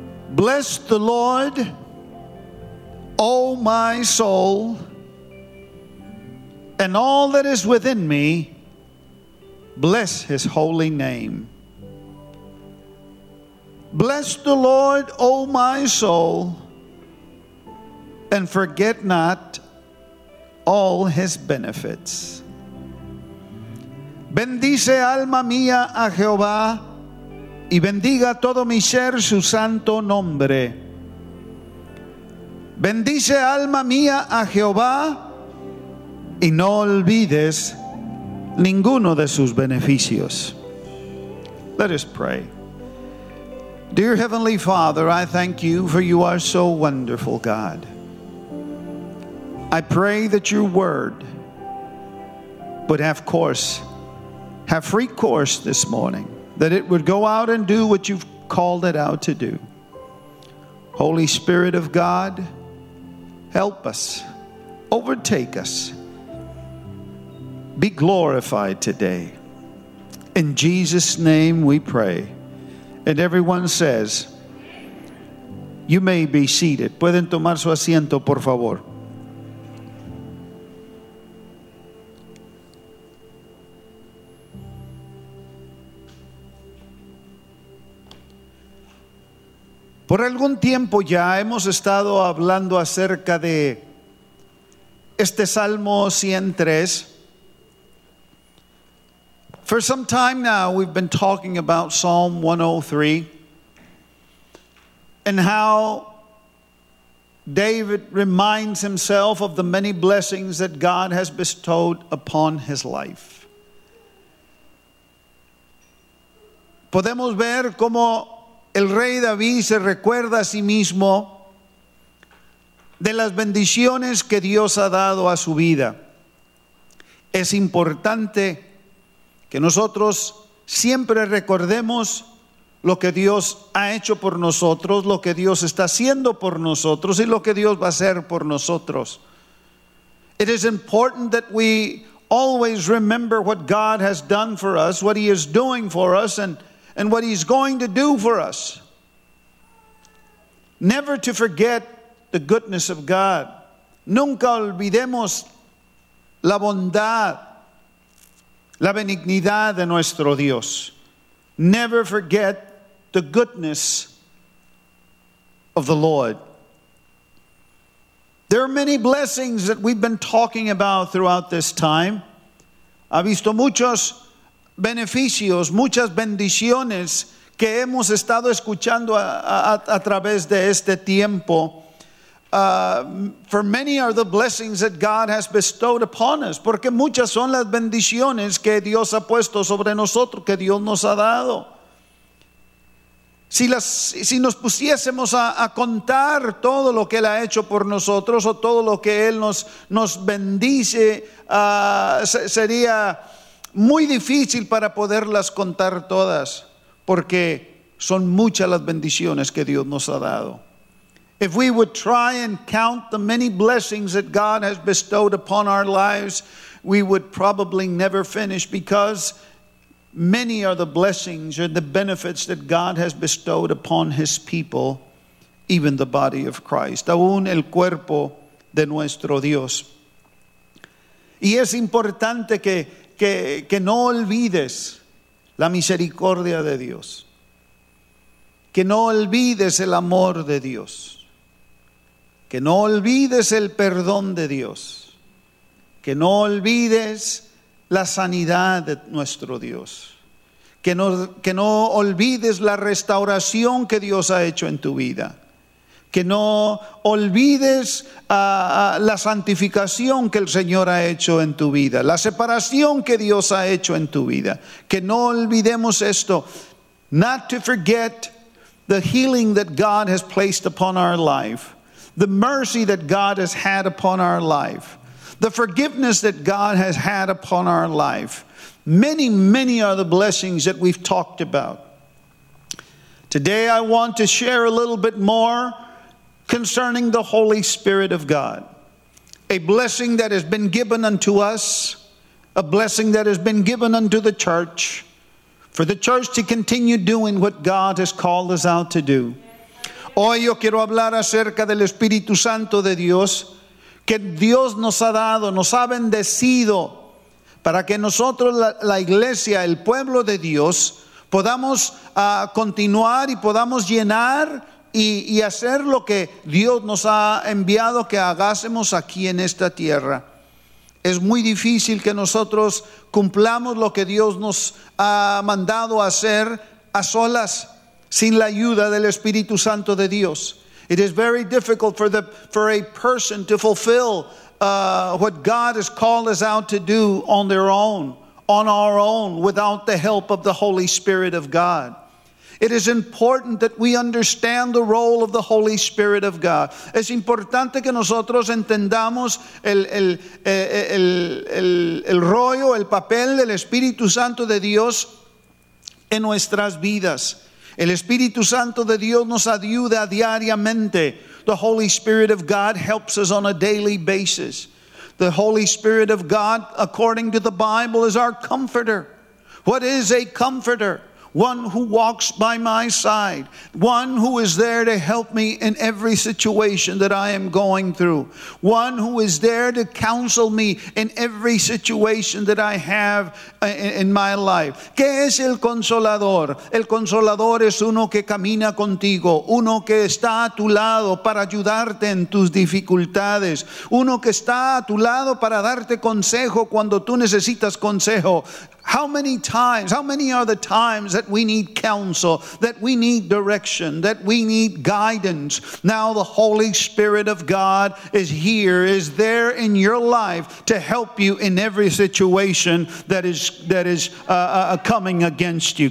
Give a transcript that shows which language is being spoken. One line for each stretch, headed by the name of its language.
English: Bless the Lord, O my soul, and all that is within me, bless his holy name. Bless the Lord, O my soul, and forget not all his benefits.
Spanish: Bendice alma mía a Jehová, y bendiga todo mi ser su santo nombre. Bendice alma mía a Jehová, y no olvides ninguno de sus beneficios.
English: Let us pray. Dear Heavenly Father, I thank you for you are so wonderful, God. I pray that your word would have free course this morning, that it would go out and do what you've called it out to do. Holy Spirit of God, help us, overtake us, be glorified today. In Jesus' name we pray. And everyone says, you may be seated.
Spanish: Pueden tomar su asiento, por favor. Por algún tiempo ya hemos estado hablando acerca de este Salmo 103.
English: For some time now, we've been talking about Psalm 103 and how David reminds himself of the many blessings that God has bestowed upon his life.
Spanish: Podemos ver cómo el rey David se recuerda a sí mismo de las bendiciones que Dios ha dado a su vida. Es importante que nosotros siempre recordemos lo que Dios ha hecho por nosotros, lo que Dios está haciendo por nosotros y lo que Dios va a hacer por nosotros.
English: It is important that we always remember what God has done for us, what he is doing for us, and what he's going to do for us. Never to forget the goodness of God.
Spanish: Nunca olvidemos la bondad, la benignidad de nuestro Dios.
English: Never forget the goodness of the Lord. There are many blessings that we've been talking about throughout this time.
Spanish: Ha visto muchos beneficios, muchas bendiciones que hemos estado escuchando a través de este tiempo.
English: For many are the blessings that God has bestowed upon us,
Spanish: porque muchas son las bendiciones que Dios ha puesto sobre nosotros, que Dios nos ha dado. Si nos pusiésemos a contar todo lo que Él ha hecho por nosotros o todo lo que Él nos bendice, sería muy difícil para poderlas contar todas, porque son muchas las bendiciones que Dios nos ha dado.
English: If we would try and count the many blessings that God has bestowed upon our lives, we would probably never finish, because many are the blessings and the benefits that God has bestowed upon his people, even the body of Christ,
Spanish: aún el cuerpo de nuestro Dios. Y es importante que no olvides la misericordia de Dios. Que no olvides el amor de Dios. Que no olvides el perdón de Dios. Que no olvides la sanidad de nuestro Dios. Que no olvides la restauración que Dios ha hecho en tu vida. Que no olvides la santificación que el Señor ha hecho en tu vida. La separación que Dios ha hecho en tu vida. Que no olvidemos esto.
English: Not to forget the healing that God has placed upon our life. The mercy that God has had upon our life. The forgiveness that God has had upon our life. Many, many are the blessings that we've talked about. Today I want to share a little bit more concerning the Holy Spirit of God. A blessing that has been given unto us. A blessing that has been given unto the church. For the church to continue doing what God has called us out to do.
Spanish: Hoy yo quiero hablar acerca del Espíritu Santo de Dios. Que Dios nos ha dado, nos ha bendecido. Para que nosotros, la iglesia, el pueblo de Dios, podamos continuar y podamos llenar y hacer lo que Dios nos ha enviado que hagásemos aquí en esta tierra. Es muy difícil que nosotros cumplamos lo que Dios nos ha mandado hacer a solas, sin la ayuda del Espíritu Santo de Dios.
English: It is very difficult for a person to fulfill what God has called us out to do on their own, on our own, without the help of the Holy Spirit of God. It is important that we understand the role of the Holy Spirit of God.
Spanish: Es importante que nosotros entendamos el rollo, el papel del Espíritu Santo de Dios en nuestras vidas. El Espíritu Santo de Dios nos ayuda diariamente.
English: The Holy Spirit of God helps us on a daily basis. The Holy Spirit of God, according to the Bible, is our comforter. What is a comforter? One who walks by my side. One who is there to help me in every situation that I am going through. One who is there to counsel me in every situation that I have in my life.
Spanish: ¿Qué es el consolador? El consolador es uno que camina contigo. Uno que está a tu lado para ayudarte en tus dificultades. Uno que está a tu lado para darte consejo cuando tú necesitas consejo.
English: How many are the times that we need counsel, that we need direction, that we need guidance? Now the Holy Spirit of God is here, is there in your life to help you in every situation that is coming against you.